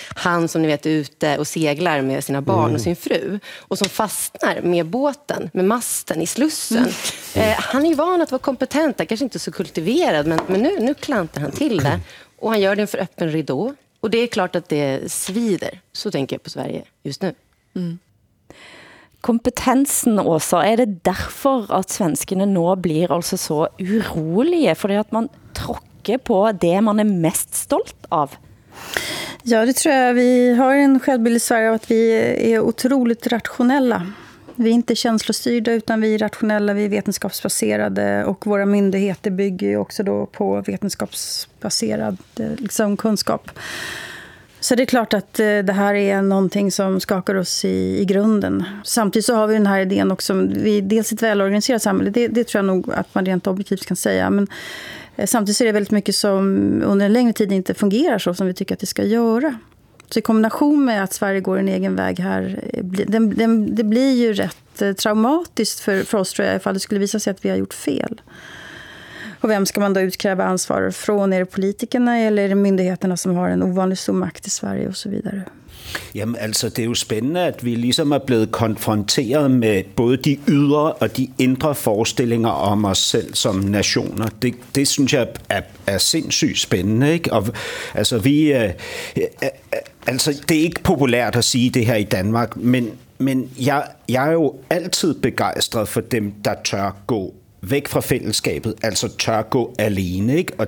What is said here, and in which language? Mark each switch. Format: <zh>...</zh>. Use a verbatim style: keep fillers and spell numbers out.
<sv>Han som ni vet är ute och seglar med sina barn och sin fru. Och som fastnar med båten, med masten i slussen. Mm. Eh, han är van att vara kompetent, kanske inte så kultiverad. Men, men nu, nu klantar han till det. Och han gör det för öppen ridå. Och det är klart att det svider. Så tänker jag på Sverige just nu. Mm.</sv> <no>Kompetensen, Åsa, er det derfor at svenskene nå blir altså så urolige, fordi at man tråkker på det man er mest stolt av? Ja, det tror jeg.</no> <sv>Vi har en självbild i Sverige av at vi er otroligt rationella. Vi är inte känslostyrda, utan vi är rationella, vi är vetenskapsbaserade, och våra myndigheter bygger ju också då på vetenskapsbaserad liksom, kunskap. Så det är klart att det här är någonting som skakar oss i, i grunden. Samtidigt så har vi den här idén också. Vi, dels ett välorganiserat samhälle, det, det tror jag nog att man rent objektivt kan säga. Men samtidigt så är det väldigt mycket som under en längre tid inte fungerar så som vi tycker att det ska göra. Så i kombination med att Sverige går en egen väg här, den, den, det blir ju rätt traumatiskt för, för oss, tror jag, ifall det skulle visa sig att vi har gjort fel. Och vem ska man då utkräva ansvar från? Är det politikerna eller är det myndigheterna som har en ovanlig stor makt i Sverige och så vidare?</sv> <da>Jamen altså, det er jo spændende, at vi ligesom er blevet konfronteret med både de ydre og de indre forestillinger om os selv som nationer. Det, det synes jeg er, er sindssygt spændende, ikke? Og, altså, vi, øh, øh, altså, det er ikke populært at sige det her i Danmark, men, men jeg, jeg er jo altid begejstret for dem, der tør gå væk fra fællesskabet, altså tør gå alene, ikke?</da>